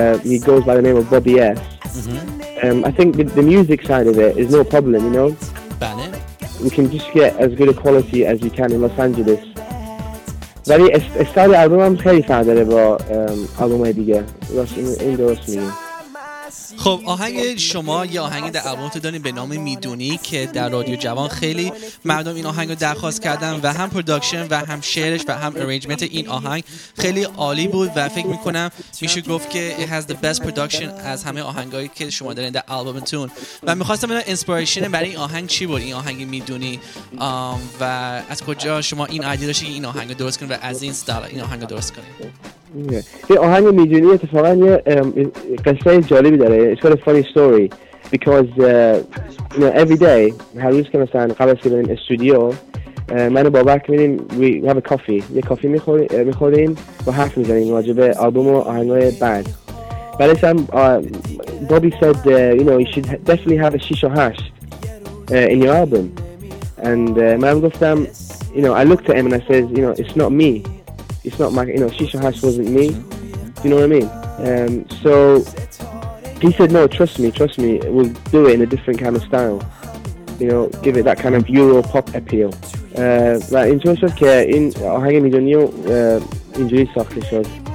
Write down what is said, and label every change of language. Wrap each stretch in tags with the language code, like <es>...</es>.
<en>He goes by the name of Bobby S. I think the music side of it is no problem, you know.</en> <fa>بله.</fa> <en>We can just get as good a quality as we can in Los Angeles.</en> <fa>ولی استایل آلبوم هم خیلی فرق داره با آلبوم های دیگه. این درست میگه. خب آهنگ شما یه آهنگ در آلبوم تو دارین به نام میدونی که در رادیو جوان خیلی مردم این آهنگ رو درخواست کردن و هم پروداکشن و هم شعرش و هم ارنجمنت این آهنگ خیلی عالی بود و فکر میکنم میشه گفت که</fa> <en>it has the best production</en> <fa>از همه آهنگایی که شما دارین در آلبومتون. و میخواستم ببینم اینسپایرشن برای این آهنگ چی بود, این آهنگ میدونی, و از کجا شما این ایده داشتی این آهنگ رو درست کنین و از این استایل این آهنگ رو درست کنین؟ این آهنگ میدونی اتفاقا یه قصه جالبی داره.</fa> <en>It's got a funny story because you know, every day,</en> <fa>هر روز که مثلا قبل از که بریم استودیو من و بابک میریم,</fa> <en>we have a coffee,</en> <fa>یه کافی میخوریم و حرف میزنیم راجع به آلبوم و آهنگای بعد. ولی سم بابی</fa> <en>said you know, you should definitely have a 6 or 8 in your album. And</en> <fa>من گفتم,</fa> <en>you know, I looked at him and I said, you know, it's not me. It's not my, you know, Shisha Hash wasn't me. You know what I mean? So he said, no, trust me. We'll do it in a different kind of style. You know, give it that kind of Euro pop appeal. But in terms of care, in</en> <fa>آهنگ میدونی اینجوری ساخته شد.</fa>